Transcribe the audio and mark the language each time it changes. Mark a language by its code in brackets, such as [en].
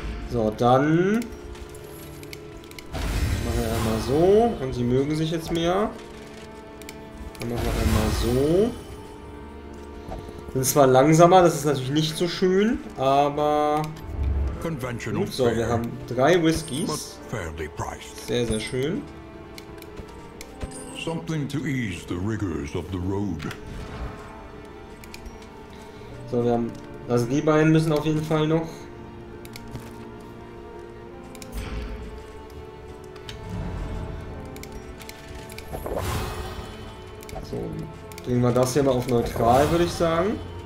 [de] So, dann machen wir einmal so. Und sie mögen sich jetzt mehr. Dann machen wir einmal so. Sind zwar langsamer, das ist natürlich nicht so schön, aber. Gut, so, wir haben drei Whiskys. Sehr, sehr schön. [en] Something to ease the rigors of the road. [de] So, wir haben. Also die beiden müssen auf jeden Fall noch. So, bringen wir das hier mal auf neutral, würde ich sagen.